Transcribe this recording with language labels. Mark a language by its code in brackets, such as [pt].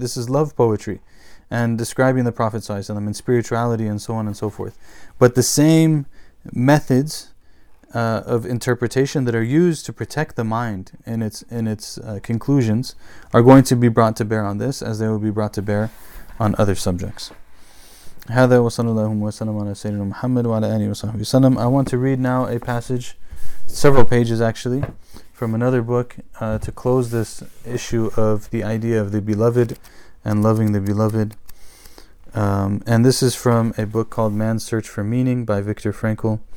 [en] This is love poetry and describing the Prophet ﷺ and spirituality and so on and so forth. But the same methods of interpretation that are used to protect the mind in its conclusions are going to be brought to bear on this as they will be brought to bear on other subjects. [ar] هذا وصلى الله وسلم على سيدنا محمد وعلى آله وصحبه وسلم. [en] I want to read now a passage, several pages actually, from another book to close this issue of the idea of the beloved and loving the beloved. And this is from a book called Man's Search for Meaning by Viktor Frankl.